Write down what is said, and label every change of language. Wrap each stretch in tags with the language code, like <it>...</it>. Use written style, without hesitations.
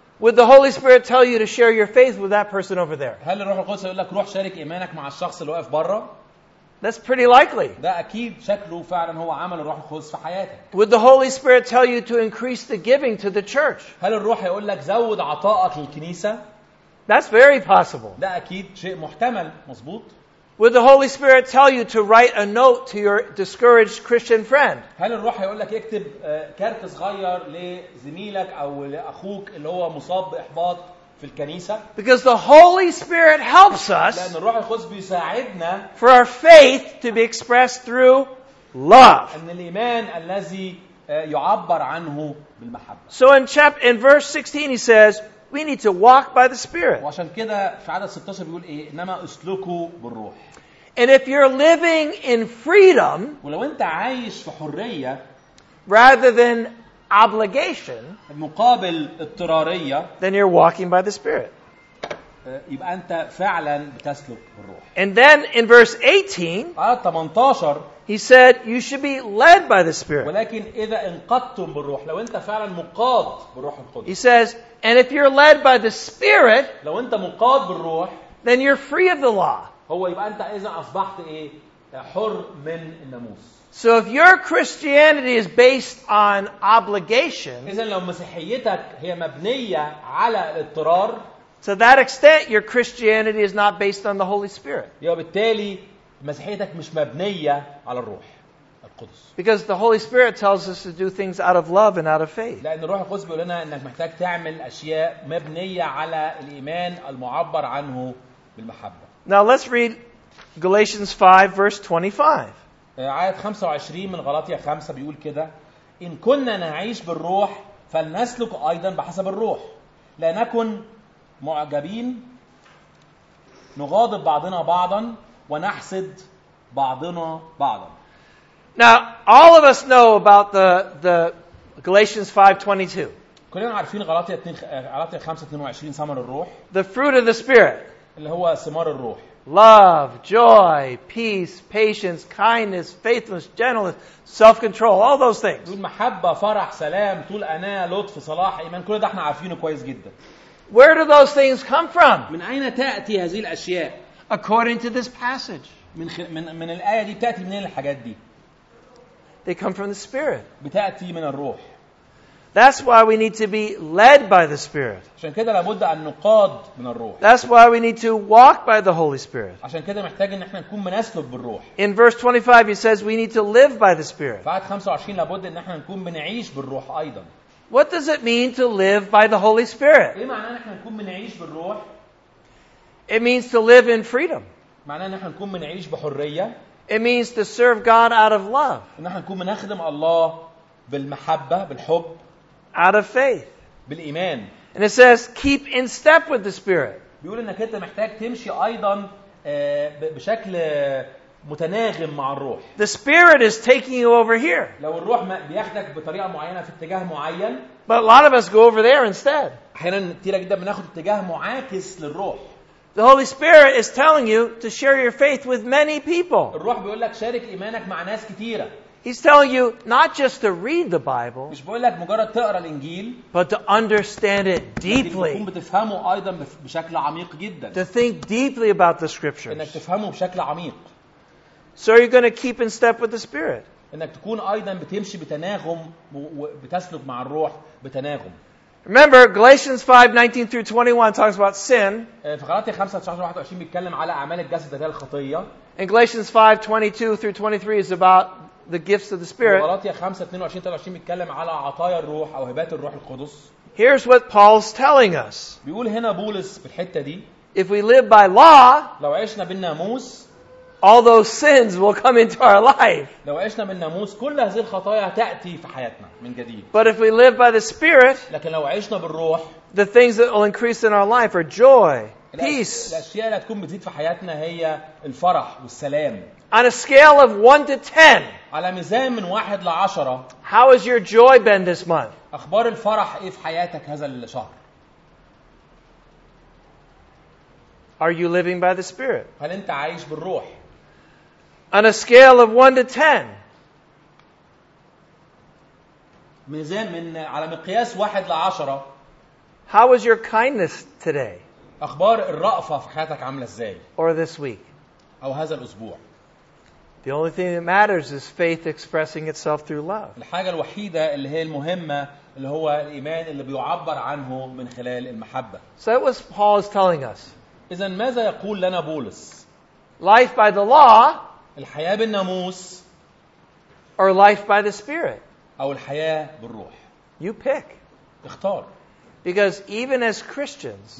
<en>Would the Holy Spirit tell you to share your faith with that person over there?</en> <ar>هل الروح القدس يقول لك روح شارك إيمانك مع الشخص اللي واقف برا؟</ar> <en>That's pretty likely.</en> <ar>ده أكيد شكله فعلا هو عمل الروح القدس في حياتك.</ar> <en>Would the Holy Spirit tell you to increase the giving to the church?</en> <ar>هل الروح يقول لك زود عطائك للكنيسة؟</ar> <en>That's very possible.</en> <ar>ده أكيد شيء محتمل مظبوط.</ar> <en>Would the Holy Spirit tell you to write a note to your discouraged Christian friend?</en> <ar>هل الروح يقول لك اكتب كارت صغير لزميلك أو لأخوك اللي هو مصاب بإحباط في الكنيسة؟</ar> <en>Because the Holy Spirit helps us.</en> <ar>لأن الروح القدس بيساعدنا.</ar> <en>For our faith to be expressed through love.</en> <ar>أن الإيمان الذي يعبر عنه بالمحبة.</ar> <en>So in verse 16 he says, we need to walk by the Spirit.</en> <ar>وعشان كده في عدد 16 بيقول إيه؟ إنما أسلكوا بالروح.</ar> <en>And if you're living in freedom,</en> <ar>ولو أنت عايش في حرية,</ar> <en>rather than obligation,</en> <ar>مقابل اضطرارية,</ar> <en>then you're walking by the Spirit.</en> <ar>يبقى أنت فعلاً بتسلك بالروح.</ar> <en>And then in verse 18,</en> <ar>18,</ar> <en>he said, you should be led by the Spirit.</en> <ar>ولكن إذا انقضتم بالروح, لو أنت فعلاً مقاد بالروح القدس,</ar> <en>he says, and if you're led by the Spirit,</en> <ar>لو أنت مقاد بالروح,</ar> <en>then you're free of the law.</en> <ar>هو يبقى أنت إذا أصبحت إيه؟ حر من الناموس.</ar> <en>So if your Christianity is based on obligation,</en> <ar>إذا لو مسيحيتك هي مبنية على الاضطرار,</ar> <en>to that extent your Christianity is not based on the Holy Spirit.</en> <ar>يبقى بالتالي مسيحيتك مش مبنية على الروح.</ar> <en>Because the Holy Spirit tells us to do things out of love and out of faith.</en> <ar>لأن الروح القدس بيقول لنا إنك محتاج تعمل أشياء مبنية على الإيمان المعبر عنه بالمحبة.</ar> <en>Now let's read Galatians 5 verse 25.</en> <ar>آية 25 من غلاطية 5 بيقول كده: إن كنا نعيش بالروح فلنسلك أيضا بحسب الروح. لا نكن معجبين نغاضب بعضنا بعضا ونحسد بعضنا بعضا.</ar> <en>Now, all of us know about the Galatians 5:22.</en> <ar>كلنا عارفين غلاطية 5:22 ثمر الروح.</ar> <en>The fruit of the Spirit.</en> <ar>اللي هو ثمار الروح.</ar> <en>Love, joy, peace, patience, kindness, faithfulness, gentleness, self-control, all those things.</en> <ar>محبة, فرح, سلام, طول أناة, لطف, صلاح, إيمان, كل ده احنا عارفينه كويس جدا.</ar> <en>Where do those things come from?</en> <ar>من أين تأتي هذه الأشياء?</ar> <en>According to this passage.</en> <ar>من الآية دي بتأتي منين الحاجات دي?</ar> <en>They come from the Spirit.</en> <ar>بتأتي من الروح.</ar> <en>That's why we need to be led by the Spirit.</en> <ar>عشان كده لابد أن نقاد من الروح.</ar> <en>That's why we need to walk by the Holy Spirit.</en> <ar>عشان كده محتاج إن إحنا نكون بنسلك بالروح.</ar> <en>In verse 25, he says we need to live by the Spirit.</en> <ar>في عدد 25 لابد إن إحنا نكون بنعيش بالروح أيضا.</ar> <en>What does it mean to live by the Holy Spirit?</en> <ar>إيه معناه إن إحنا نكون بنعيش بالروح?</ar> <en>It means to live in freedom.</en> <ar>معناه إن إحنا نكون بنعيش بحرية.</ar> <en>It means to serve God out of love.</en> <ar>إن إحنا نكون بنخدم الله بالمحبة بالحب.</ar> <en>Out of faith.</en> <ar>بالإيمان.</ar> <en>And it says, keep in step with the Spirit.</en> <ar>بيقول إنك أنت محتاج تمشي أيضا بشكل متناغم مع الروح.</ar> <en>The Spirit is taking you over here.</en> <ar>لو الروح بياخدك بطريقة معينة في اتجاه معين.</ar> <en>But a lot of us go over there instead.</en> <ar>أحيانا كتير جدا بناخد اتجاه معاكس للروح.</ar> <en>The Holy Spirit is telling you to share your faith with many people.</en> <ar>الروح بيقول لك شارك إيمانك مع ناس كتيرة.</ar> <en>He's telling you not just to read the Bible,</en> <ar>مش بيقول لك مجرد تقرأ الإنجيل,</ar> <en>but to understand it deeply.</en> <ar>لكن تكون بتفهمه أيضا بشكل عميق جدا.</ar> <en>To think deeply about the Scriptures.</en> <ar>إنك تفهمه بشكل عميق.</ar> <en>So are you going to keep in step with the Spirit?</en> <ar>إنك تكون أيضا بتمشي بتناغم وبتسلك مع الروح بتناغم.</ar> <en>Remember, Galatians 5:19-21 talks about sin.</en> <ar>في غلاطية 5:19-21 بيتكلم على أعمال الجسد ذات الخطية.</ar> <en>And Galatians 5:22-23 is about the gifts of the Spirit.</en> <ar>غلاطية 5:22-23 بيتكلم على عطايا الروح أو هبات الروح القدس.</ar> <en>Here's what Paul's telling us.</en> <ar>بيقول هنا بولس بالحتة دي.</ar> <en>If we live by law,</en> <ar>لو عشنا بالناموس,</ar> <en>all those sins will come into our life.</en> <ar>لو عشنا بالناموس كل هذه الخطايا تأتي في حياتنا من جديد.</ar> <en>But if we live by the Spirit,</en> <ar>لكن لو عشنا بالروح,</ar> <en>the things that will increase in our life are joy, peace.</en> <ar>الأشياء اللي هتكون بتزيد في حياتنا هي الفرح والسلام.</ar> <en>On a scale of 1 to 10,</en> <ar>على ميزان من 1 ل 10,</ar> <en>how has your joy been this month?</en> <ar>أخبار الفرح إيه في حياتك هذا الشهر؟</ar> <en>Are you living by the Spirit?</en> <ar>هل أنت عايش بالروح؟</ar> <en>On a scale of 1 to 10.</en> <ar>من على مقياس</ar> <en>1 to 10. How was your kindness today?</en> <ar>أخبار الرأفة في حياتك عاملة إزاي؟</ar> <en>Or this week?</en> <ar>أو هذا الأسبوع؟</ar> <en>The only thing that matters is faith expressing itself through love.</en> <ar>الحاجة الوحيدة اللي هي المهمة اللي هو الإيمان اللي بيعبر عنه من خلال المحبة.</ar> <en>So that was Paul is telling us.</en> <ar>إذا ماذا يقول لنا بولس؟</ar> <en>Life by the law.</en> <ar>الحياة بالناموس.</ar> <en>Or life by the Spirit.</en> <ar>أو الحياة بالروح.</ar> <en>You pick.</en> <ar>اختار.</ar> <en>Because even as Christians.</en>